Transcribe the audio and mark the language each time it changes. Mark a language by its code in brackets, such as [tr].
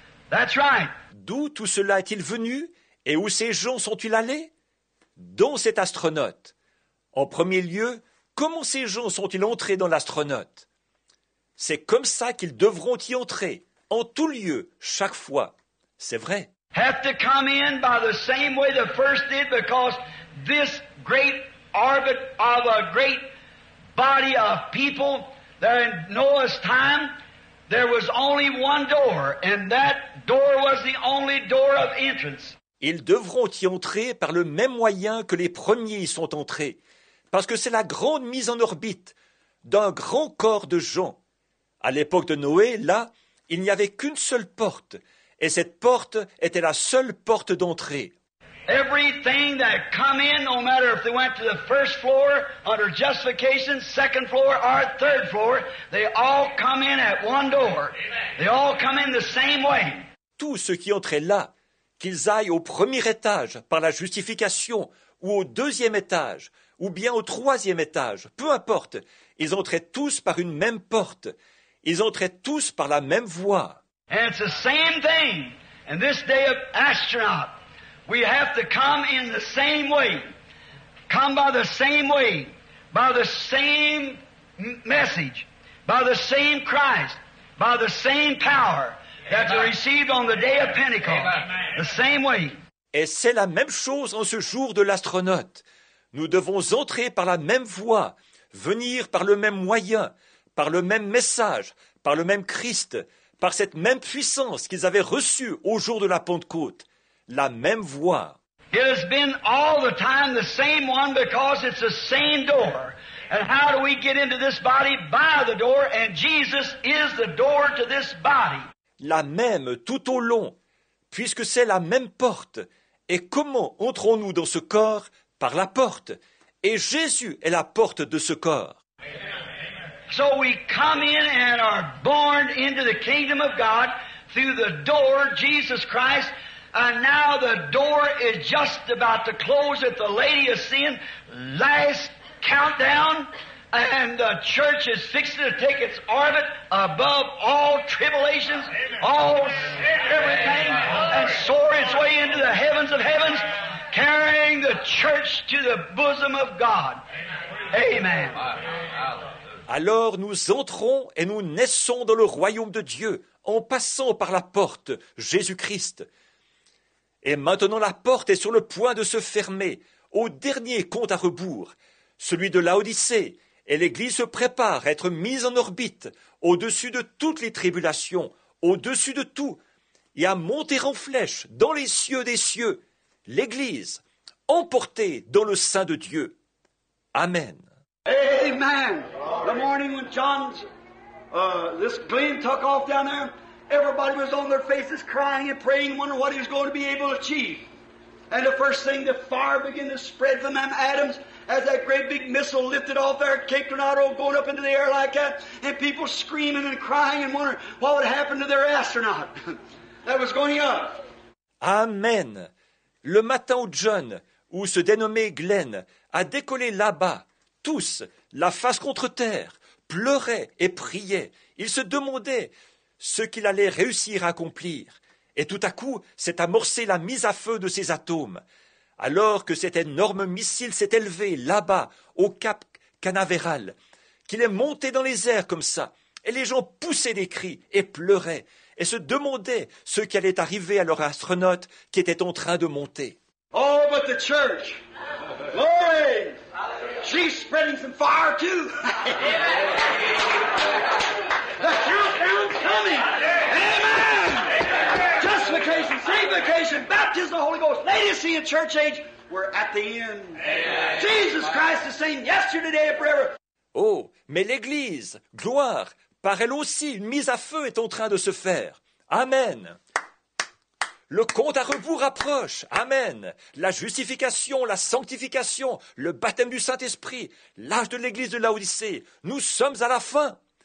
[en] That's right. [fr] D'où tout cela est-il venu, et où ces gens sont-ils allés? Dans cet astronaute. En premier lieu, comment ces gens sont-ils entrés dans l'astronaute? C'est comme ça qu'ils devront y entrer, en tout lieu, chaque fois. C'est vrai. [en] Have to come in by the same way the first did, because this great orbit of a great body of people there in Noah's time, there was only one door, and that door was the only door of entrance. [fr] Ils devront y entrer par le même moyen que les premiers y sont entrés, parce que c'est la grande mise en orbite d'un grand corps de gens. À l'époque de Noé, là, il n'y avait qu'une seule porte, et cette porte était la seule porte d'entrée. [en] Everything that come in, no matter if they went to the first floor under justification, second floor, or third floor, they all come in at one door. They all come in the same way. [fr] Tout ce qui entrait là, qu'ils aillent au premier étage par la justification, ou au deuxième étage, ou bien au troisième étage, peu importe, ils entraient tous par une même porte. Ils entraient tous par la même voie. [en] And it's the same thing in this day of astronauts. We have to come in the same way, come by the same way, by the same message, by the same Christ, by the same power that we received on the day of Pentecost, the same way. [fr] Et c'est la même chose en ce jour de l'astronaute. Nous devons entrer par la même voie, venir par le même moyen, par le même message, par le même Christ, par cette même puissance qu'ils avaient reçue au jour de la Pentecôte. La même voix. [en] It has been all the time the same one because it's the same door. And how do we get into this body? By the door, and Jesus is the door to this body. [fr] La même tout au long, puisque c'est la même porte. Et comment entrons-nous dans ce corps? Par la porte. Et Jésus est la porte de ce corps. [en] So we come in and are born into the kingdom of God through the door, Jesus Christ. And now the door is just about to close at the Lady of Sin, last countdown, and the church is fixing to take its orbit above all tribulations, all everything, and soar its way into the heavens of heavens, carrying the church to the bosom of God. Amen. [fr] Alors nous entrons et nous naissons dans le royaume de Dieu en passant par la porte, Jésus-Christ. Et maintenant la porte est sur le point de se fermer, au dernier compte à rebours, celui de Laodicée, et l'Église se prépare à être mise en orbite, au-dessus de toutes les tribulations, au-dessus de tout, et à monter en flèche dans les cieux des cieux, l'Église, emportée dans le sein de Dieu. Amen. Amen. [en] The morning when John's, this plane took off down there. Everybody was on their faces crying and praying, wondering what he was going to be able to achieve. And the first thing, the fire began to spread from them atoms as that great big missile lifted off there, Cape Canaveral, going up into the air like that, and people screaming and crying and wondering what would happen to their astronaut that was going up. Amen. [fr] Le matin où John, ou ce dénommé Glenn, a décollé là-bas, tous, la face contre terre, pleuraient et priaient. Ils se demandaient ce qu'il allait réussir à accomplir. Et tout à coup, s'est amorcée la mise à feu de ces atomes. Alors que cet énorme missile s'est élevé là-bas, au Cap Canaveral, qu'il est monté dans les airs comme ça, et les gens poussaient des cris et pleuraient, et se demandaient ce qui allait arriver à leur astronaute qui était en train de monter. [en] Oh, but the church! Glory! She's spreading some fire too! The countdown's coming. Amen. Justification, sanctification, baptism of the Holy Ghost, Lady of Sin, church age, we're at the end. Amen. Jesus Christ the same yesterday and forever. [fr] Oh, mais l'Église, gloire, par elle aussi, une mise à feu est en train de se faire. Amen. Le compte à rebours approche. Amen. La justification, la sanctification, le baptême du Saint-Esprit, l'âge de l'Église de Laodicée, nous sommes à la fin.